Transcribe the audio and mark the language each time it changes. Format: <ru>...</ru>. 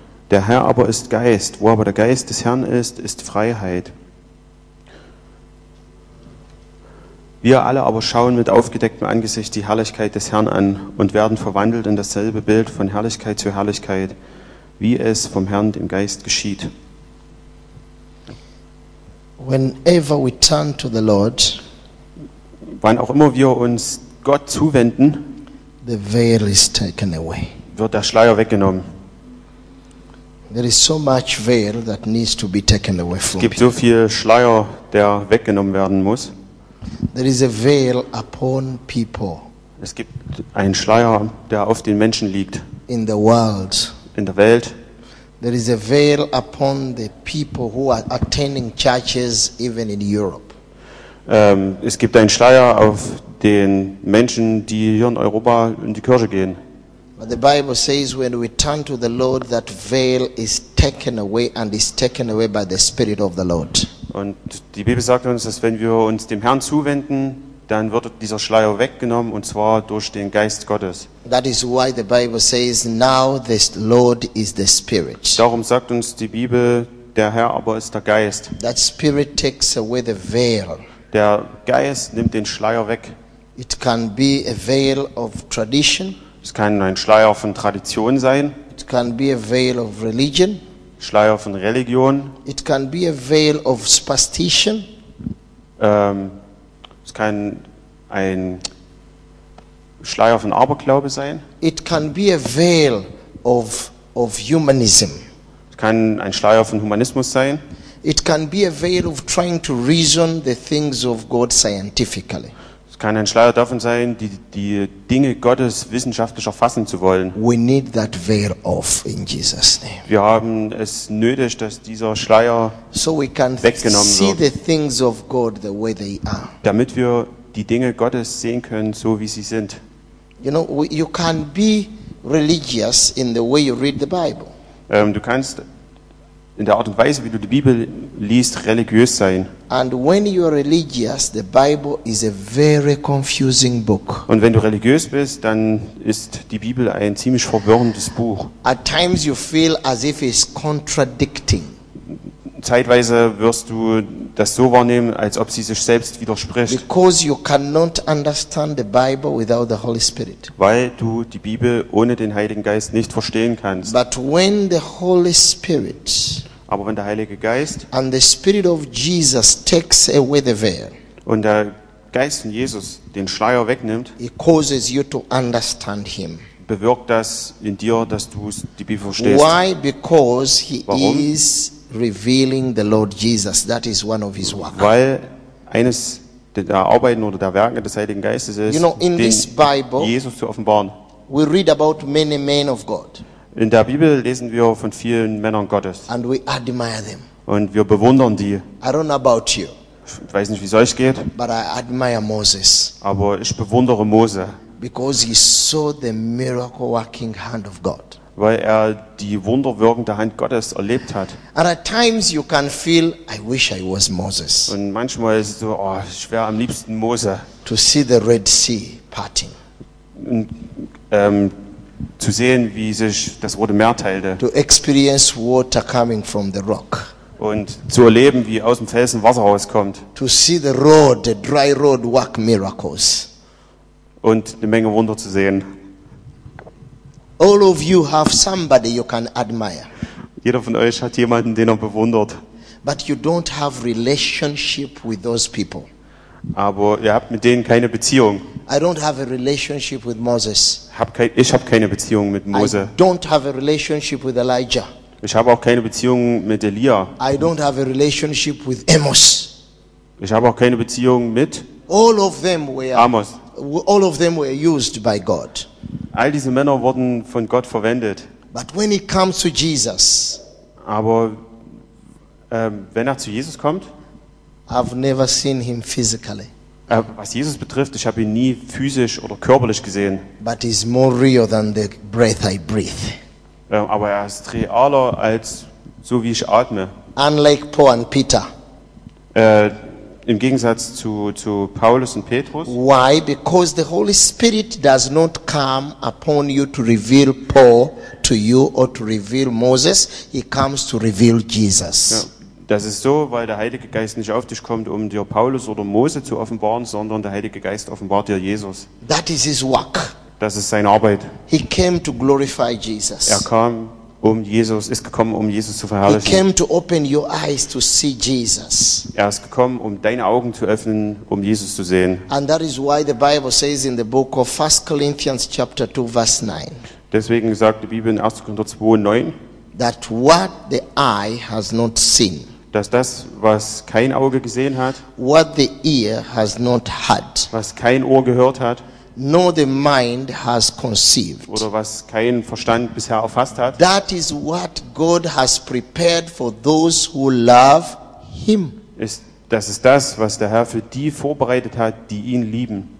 <de>Der Herr aber ist Geist. Wo aber der Geist des Herrn ist, ist Freiheit. Wir alle aber schauen mit aufgedecktem Angesicht die Herrlichkeit des Herrn an und werden verwandelt in dasselbe Bild von Herrlichkeit zu Herrlichkeit, wie es vom Herrn, dem Geist, geschieht.</de> <en>Whenever we turn to the Lord,</en> <de>wann auch immer wir uns Gott zuwenden,</de> <en>the veil is taken away.</en> <de>Wird der Schleier weggenommen.</de> <en>There is so much veil that needs to be taken away from.</en> <de>Es gibt so viel Schleier, der weggenommen werden muss.</de> <en>There is a veil upon people.</en> <de>Es gibt einen Schleier, der auf den Menschen liegt.</de> <en>In the world.</en> <de>In der Welt.</de> <en>There is a veil upon the people who are attending churches even in Europe.</en> <de>Es gibt einen Schleier auf den Menschen, die hier in Europa in die Kirche gehen.</de> <en>But the Bible says when we turn to the Lord, that veil is taken away and is taken away by the Spirit of the Lord.</en> <de>Und die Bibel sagt uns, dass wenn wir uns dem Herrn zuwenden, dann wird dieser Schleier weggenommen, und zwar durch den Geist Gottes.</de> <en>That is why the Bible says, now the Lord is the Spirit.</en> <de>Darum sagt uns die Bibel, der Herr aber ist der Geist.</de> <en>That Spirit takes away the veil.</en> <de>Der Geist nimmt den Schleier weg.</de> <en>It can be a veil of tradition.</en> <de>Es kann ein Schleier von Tradition sein.</de> <en>It can be a veil of religion.</en> <de>Schleier von Religion.</de> <en>It can be a veil of superstition.</en> <de>Es kann ein Schleier von Aberglaube sein.</de> <en>It can be a veil of humanism.</en> <de>Es kann ein Schleier von Humanismus sein.</de> <en>It can be a veil of trying to reason the things of God scientifically.</en> <de>Es kann ein Schleier davon sein, die Dinge Gottes wissenschaftlich erfassen zu wollen.</de> <en>We need that veil off in Jesus name.</en> <de>Wir haben es nötig, dass dieser Schleier</de> <en>so we can</en> <de>weggenommen</de> <en>see</en> <de>wird.</de> <en>The things of God the way they are.</en> <de>Damit wir die Dinge Gottes sehen können, so wie sie sind.</de> <en>You know, you can be religious in the way you read the Bible.</en> <de>Du kannst in der Art und Weise, wie du die Bibel liest, religiös sein.</de> <en>And when you are religious, the Bible is a very confusing book.</en> <de>Und wenn du religiös bist, dann ist die Bibel ein ziemlich verwirrendes Buch.</de> <en>At times you feel as if it's contradicting.</en> <de>Zeitweise wirst du das so wahrnehmen, als ob sie sich selbst widerspricht.</de> <en>Because you cannot understand the Bible without the Holy Spirit.</en> <de>Weil du die Bibel ohne den Heiligen Geist nicht verstehen kannst.</de> <en>But when the Holy Spirit,</en> <de>aber wenn der Heilige Geist</de> <en>and the Spirit of Jesus takes away the veil,</en> <de>und der Geist von Jesus den Schleier wegnimmt,</de> <en>it causes you to understand him.</en> <de>Bewirkt das in dir, dass du die Bibel verstehst.</de> <en>Why? Because he is revealing the Lord Jesus. That is one of his works.</en> <de>Weil eines der Arbeiten oder der Werke des Heiligen Geistes ist,</de> <en>you know, in this Bible,</en> <de>Jesus zu offenbaren.</de> <en>We read about many men of God.</en> <de>In der Bibel lesen wir von vielen Männern Gottes.</de> <en>And we admire them.</en> <de>Und wir bewundern die.</de> <en>I don't know about you.</en> <de>Ich weiß nicht, wie es euch geht.</de> <en>But I admire Moses.</en> <de>Aber ich bewundere Mose.</de> <en>Because he saw the miracle working hand of God.</en> <de>Weil er die wunderwirkende Hand Gottes erlebt hat.</de> <en>And at times you can feel, I wish I was Moses.</en> <de>Und manchmal ist es so, oh, ich wäre am liebsten Mose.</de> <en>To see the Red Sea parting.</en> <de>Und, zu sehen, wie sich das Rote Meer teilte.</de> <en>To experience water coming from the rock.</en> <de>Und zu erleben, wie aus dem Felsen Wasser rauskommt.</de> <en>To see the road, the dry road work miracles.</en> <de>Und eine Menge Wunder zu sehen.</de> <en>All of you have somebody you can admire.</en> <de>Jeder von euch hat jemanden, den er bewundert.</de> <en>But you don't have relationship with those people.</en> <de>Aber ihr habt mit denen keine Beziehung.</de> <en>I don't have a relationship with Moses.</en> <de>Ich habe keine Beziehung mit Mose.</de> <en>I don't have a relationship with Elijah.</en> <de>Ich habe auch keine Beziehung mit Elia.</de> <en>I don't have a relationship with Amos.</en> <de>Ich habe auch keine Beziehung mit</de> <en>All of them were</en> <de>Amos.</de> <en>All of them were used by God.</en> <de>All diese Männer wurden von Gott verwendet.</de> <en>But when he comes to Jesus,</en> <de>aber wenn er zu Jesus kommt,</de> <en>I've never seen him physically.</en> <de>Was Jesus betrifft, ich habe ihn nie physisch oder körperlich gesehen.</de> <en>But he's more real than the breath I breathe.</en> <de>Aber er ist realer als so wie ich atme.</de> <en>Unlike Paul and Peter.</en> <de>Im Gegensatz zu Paulus und Petrus.</de> <en>Why? Because the Holy Spirit does not come upon you to reveal Paul to you or to reveal Moses. He comes to reveal Jesus.</en> <de>Ja, das ist so, weil der Heilige Geist nicht auf dich kommt, um dir Paulus oder Mose zu offenbaren, sondern der Heilige Geist offenbart dir Jesus.</de> <en>That is his work.</en> <de>Das ist seine Arbeit.</de> <en>He came to glorify Jesus.</en> <de>Er kam, um Jesus, ist gekommen, um Jesus zu verherrlichen.</de> <en>He came to open your eyes to see Jesus.</en> <de>Er ist gekommen, um deine Augen zu öffnen, um Jesus zu sehen.</de> <en>And that is why the Bible says in the book of 1 Corinthians chapter 2 verse 9.</en> <de>Deswegen sagt die Bibel in 1. Korinther 2, 9,</de> <en>that what the eye has not seen,</en> <de>dass das, was kein Auge gesehen hat,</de> <en>what the ear has not heard,</en> <de>was kein Ohr gehört hat,</de> <en>nor the mind has conceived,</en> <de>oder was kein Verstand bisher erfasst hat,</de> <en>that is what God has prepared for those who love him.</en> <de>Das ist das, was der Herr für die vorbereitet hat, die ihn lieben.</de>